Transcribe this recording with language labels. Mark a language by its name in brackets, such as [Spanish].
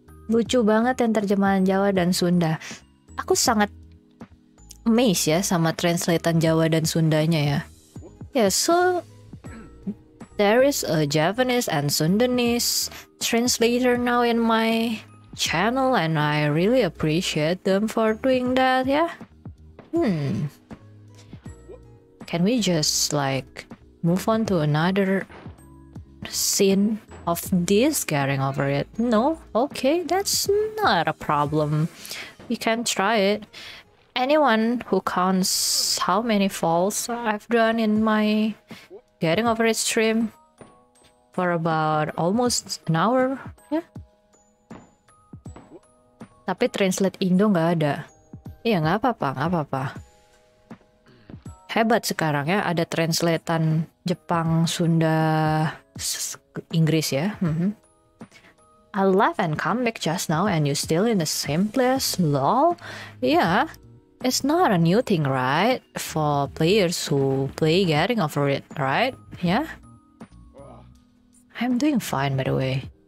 [Indonesian] Lucu banget yang terjemahan Jawa dan Sunda. Aku sangat amazed ya sama translatean Jawa dan Sundanya ya. [English] Yeah, so... there is a Japanese and Sundanese translator now in my channel, and I really appreciate them for doing that, yeah? Can we just, like, move on to another scene of this getting over it? No? Okay, that's not a problem. We can try it. Anyone who counts how many falls I've done in my... getting over its stream for about almost an hour, yeah. [Indonesian] Tapi translate Indo nggak ada. Iya, nggak apa-apa, nggak apa-apa. Hebat sekarang ya, ada translatean Jepang, Sunda, Inggris ya. [English] I left and come back just now, and you still in the same place, lol. Yeah, it's not a new thing, right? For players who play getting over it, right? Yeah? I'm doing fine, by the way.